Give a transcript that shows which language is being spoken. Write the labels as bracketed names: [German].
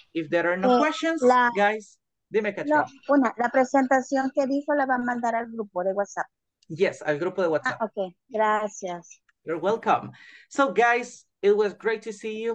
[English] If there are no questions, guys, [Spanish] dime, [English] Katia. [Spanish] No, la presentación que dijo la va a mandar al grupo de WhatsApp. Yes, al grupo de WhatsApp. Ah, okay, gracias. [English] You're welcome. So, guys, it was great to see you.